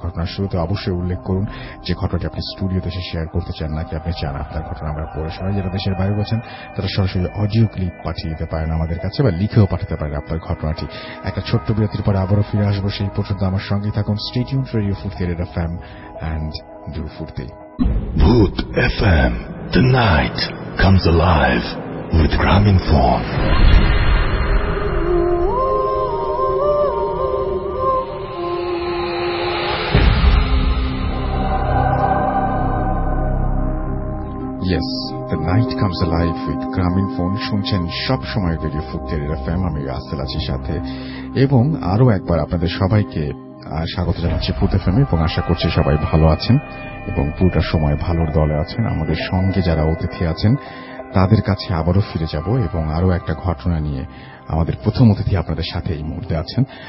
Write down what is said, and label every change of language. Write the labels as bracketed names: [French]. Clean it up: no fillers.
[Bangla] ঘটনার শুরুতে অবশ্যই উল্লেখ করুন যে ঘটনাটি আপনি স্টুডিওতে এসে শেয়ার করতে চান নাকি আপনি চান আপনার ঘটনা আমরা পড়ে শোনাই, যারা দেশের বাইরে রয়েছেন তারা সরাসরি অডিও ক্লিপ পাঠিয়ে দিতে পারেন আমাদের কাছে বা লিখেও পাঠাতে পারেন আপনার ঘটনাটি। একটা ছোট্ট বিরতির পরে আবারও ফিরে আসবো, সেই পর্যন্ত আমার সঙ্গে থাকুন, [English] Stay tuned for radio Furti, radio FM and do Furti. Bhut FM, the night comes alive with Gramophone. Yes, the night comes alive with Gramophone. [Bangla] শুনছেন সব সময় রেডিও ফুর্তি FM, আমি রাসেল আছি সাথে, এবং আরো একবার আপনাদের সবাইকে স্বাগত জানাচ্ছি ফুর্তি FM, এবং আশা করছি সবাই ভালো আছেন এবং পুরোটা সময় ভালোর দলে আছেন। আমাদের সঙ্গে যারা অতিথি আছেন তাদের কাছে আবারও ফিরে যাব এবং আরও একটা ঘটনা নিয়ে আমাদের প্রথম অতিথি আপনাদের সাথে এই মুহূর্তে আছেন।